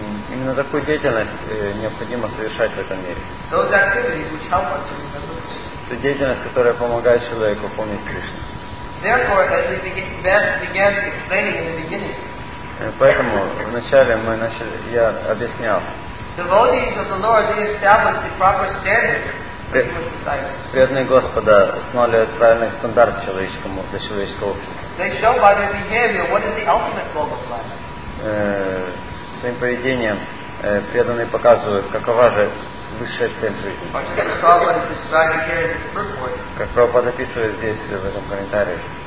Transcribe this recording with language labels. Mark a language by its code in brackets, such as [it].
[ru] Именно такую деятельность необходимо совершать в этом мире. [en] Those activities which help us to remember Krishna. [ru] Это деятельность, которая помогает человеку помнить Кришну. [en] Therefore, as we began explaining in the beginning. [ru] Поэтому вначале мы начали, я объяснял. [en] Devotees of the Lord, they established the proper standard for human society. [ru] Преданные Господа установили правильный стандарт человеческому для человеческого общества. [en] They show by their behavior what is the ultimate goal of life. [ru] Своим поведением преданные показывают, какова же высшая цель жизни. Как Прабхупада описывает здесь, в этом комментарии.